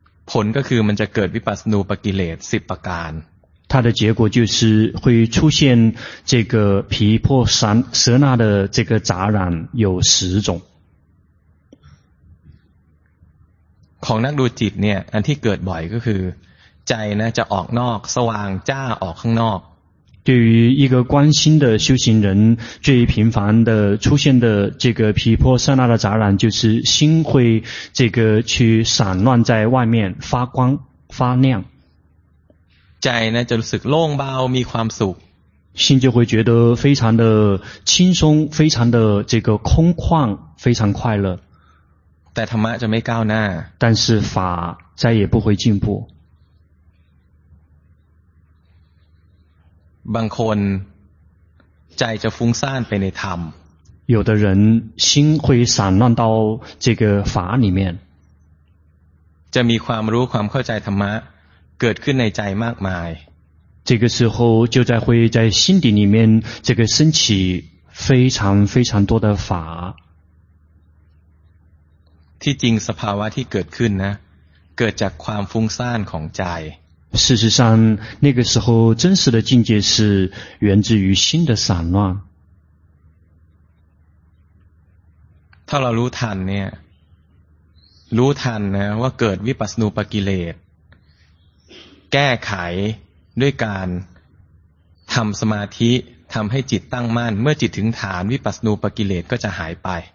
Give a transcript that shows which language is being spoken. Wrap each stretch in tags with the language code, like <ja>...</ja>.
<th>ผลก็คือมันจะเกิดวิปัสสนูปกิเลส10ประการ</th> <zh>它的结果就是会出现这个毗婆舍那的这个杂染有十种</zh> <th>ของนักดูจิตเนี่ยอันที่เกิดบ่อยก็คือใจนะจะออกนอกสว่างจ้าออกข้างนอก</th> <zh>对于一个关心的修行人最频繁的出现的这个毗婆舍那的杂染就是心会这个去散乱在外面发光发亮</zh> <th>ใจนะจะรู้สึกโล่งเบามีความสุข</th> <zh>心就会觉得非常的轻松非常的这个空旷非常快乐</zh> <th>แต่ธรรมะจะไม่ก้าวหน้า</th> <zh>但是法再也不会进步</zh> <th>บางคนใจจะฟุ้งซ่านไปในธรรม</th> <zh>有的人心会散乱到这个法里面</zh> <th>จะมีความรู้ความเข้าใจธรรมะเกิดขึ้นในใจมากมาย</th> <zh>这个时候就在会在心底里面这个升起非常非常多的法</zh> <th>ที่จริงสภาวะที่เกิดขึ้นนะเกิดจากความฟุ้งซ่านของใจ</th> <zh>事实上那个时候真实的境界是源自于心的散乱</zh> <th>ถ้าเรารู้ทันเนี่ยรู้ทันนะว่าเกิดวิปัสสนูปกิเลสแก้ไขด้วยการทำสมาธิทำให้จิตตั้งมั่นเมื่อจิตถึงฐานวิปัสสนูปกิเลสก็จะหายไป</th>